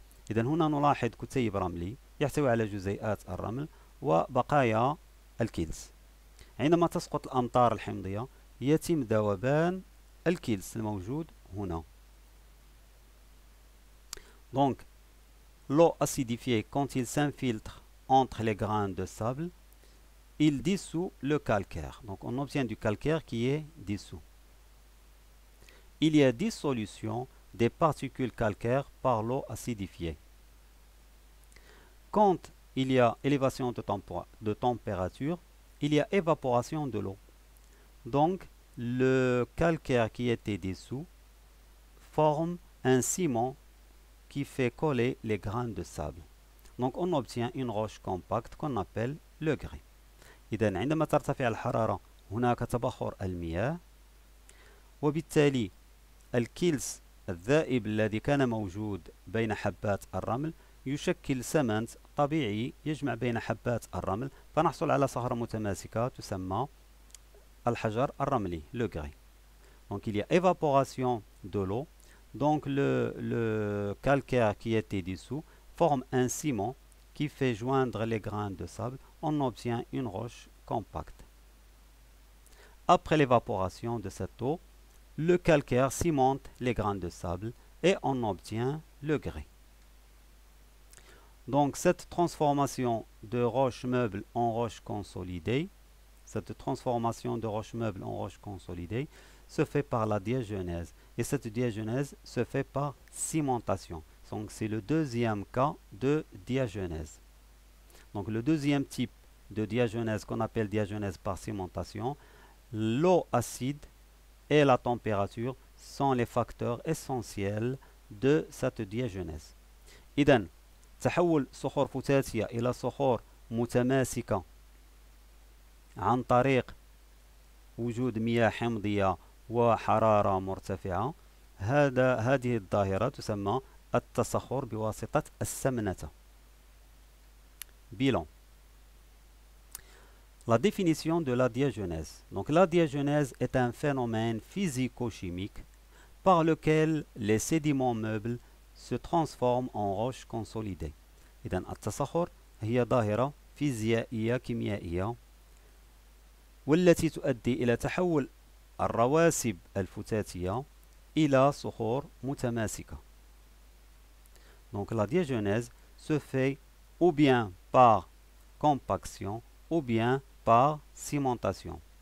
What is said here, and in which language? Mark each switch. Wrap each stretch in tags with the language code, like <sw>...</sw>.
<ar>إذن هنا نلاحظ كتيب رملي يحتوي على جزيئات الرمل وبقايا الكيلس. عندما تسقط الأمطار الحمضية يتم ذوبان الكيلس الموجود هنا.</ar> <fr>Donc l'eau acidifiée, quand il s'infiltre entre les grains de sable, il dissout le calcaire. Donc on obtient du calcaire qui est dissous. Il y a dissolution des particules calcaires par l'eau acidifiée. Quand il y a élévation de température, il y a évaporation de l'eau. Donc le calcaire qui était dissous forme un ciment qui fait coller les grains de sable. Donc on obtient une roche compacte qu'on appelle le grès.</fr> <ar>إذن عندما ترتفع الحرارة هناك تبخر المياه وبالتالي الكيلس الذائب الذي كان موجود بين حبات الرمل يشكل سمنت طبيعي يجمع بين حبات الرمل فنحصل على صخرة متماسكة تسمى الحجر الرملي le grès.</ar> <fr>Donc il y a évaporation de l'eau. Donc le calcaire qui était dissous forme un ciment qui fait joindre les grains de sable. On obtient une roche compacte. Après l'évaporation de cette eau, le calcaire cimente les grains de sable et on obtient le grès. Donc cette transformation de roche meuble en roche consolidée, cette transformation de roche meuble en roche consolidée se fait par la diagenèse. Et cette diagenèse se fait par cimentation. Donc c'est le deuxième cas de diagenèse. Donc le deuxième type de diagenèse qu'on appelle diagenèse par cimentation, l'eau acide et la température sont les facteurs essentiels de cette diagenèse.</fr> <ar>Idem, تحول صخور فتاتية إلى صخور متماسكة عن طريق وجود مياه حمضية وحرارة مرتفعة هذه الظاهرة تسمى التصخر بواسطة السمنة.</ar> <fr>Bilan. La définition de la diagenèse. Donc la diagenèse est un phénomène physico-chimique par lequel les sédiments meubles se transforment en roches consolidées.</fr> <ar>إذن التصخر هي ظاهرة فيزيائية كيميائية والتي تؤدي إلى تحول الرواسب الفتاتية إلى صخور متماسكة.</ar> <fr>Donc la diagenèse se fait ou bien par compaction ou bien par cimentation.</fr>